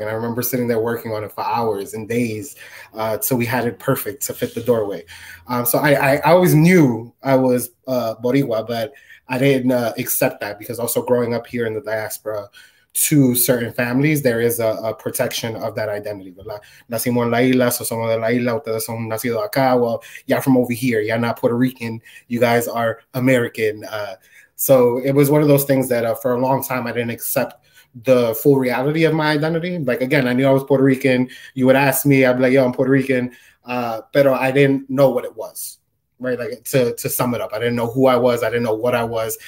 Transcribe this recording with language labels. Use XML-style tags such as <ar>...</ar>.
<en>And I remember sitting there working on it for hours and days so we had it perfect to fit the doorway. So I always knew I was Boricua, but I didn't accept that, because also growing up here in the diaspora to certain families, there is a protection of that identity.</en> <es>Nacimos en la isla, so somos de la isla, ustedes son nacidos acá.</es> <en>Well, y'all from over here, y'all not Puerto Rican, you guys are American. So it was one of those things that for a long time I didn't accept the full reality of my identity. Like, again, I knew I was Puerto Rican. You would ask me, I'd be like, yo, I'm Puerto Rican. But I didn't know what it was, right? Like, to sum it up, I didn't know who I was. I didn't know what I was.</en>